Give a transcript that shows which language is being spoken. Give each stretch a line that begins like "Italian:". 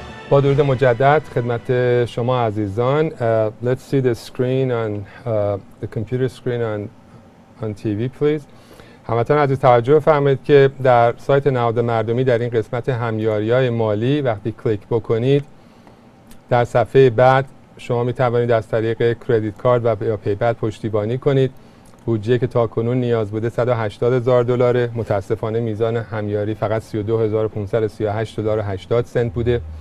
Persian: با درود مجدد خدمت شما عزیزان.
English: Let's see the screen on the computer screen on TV please.
Persian: هموطن عزیز توجه فرمایید که در سایت نهاد مردمی در این قسمت همیاری‌های مالی وقتی کلیک بکنید در صفحه بعد شما می توانید از طریق کردیت کارت و یا پیپل پشتیبانی کنید. بودجه که تاکنون نیاز بوده 180,000 دلار، متاسفانه میزان همیاری فقط 32,538.80 دلار بوده.